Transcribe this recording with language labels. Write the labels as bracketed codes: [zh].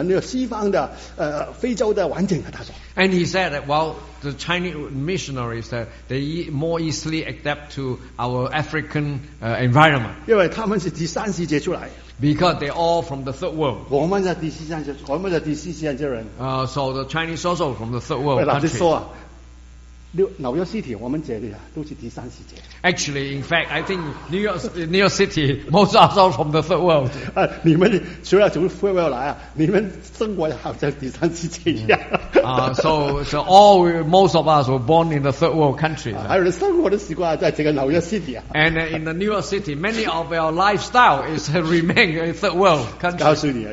[zh] 他就说啊，哦，中国的宣教师啊比较容易适应我们那个西方的非洲的环境啊，他说。 [en] And he said that while the Chinese missionaries that they more easily adapt to our African environment. Because they're all from the third world. So the Chinese also from the third world country. Actually, in fact, I think New York City, most of us are from the third world. [zh] You 除了从非洲来啊，你们中国好像第三世界一样。 [en] So all most of us were born in the third world countries. And in the New York City, many of our lifestyle is remain in third world countries.